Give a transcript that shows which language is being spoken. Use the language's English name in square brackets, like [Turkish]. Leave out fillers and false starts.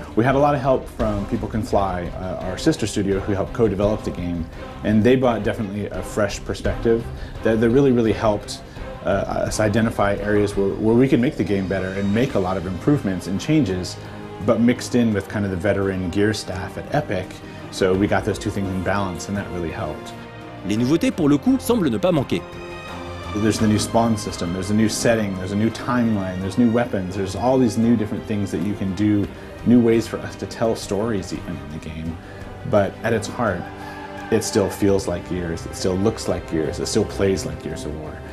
[English] We had a lot of help from People Can Fly, our sister studio who helped co-develop the game, and they brought definitely a fresh perspective that really, really helped us identify areas where we could make the game better and make a lot of improvements and changes, but mixed in with kind of the veteran gear staff at Epic, so we got those two things in balance and that really helped. [French] Les nouveautés, pour le coup, semblent ne pas manquer. [English] There's the new spawn system, there's a new setting, there's a new timeline, there's new weapons, there's all these new different things that you can do, new ways for us to tell stories even in the game. But at its heart, it still feels like Gears, it still looks like Gears, it still plays like Gears of War.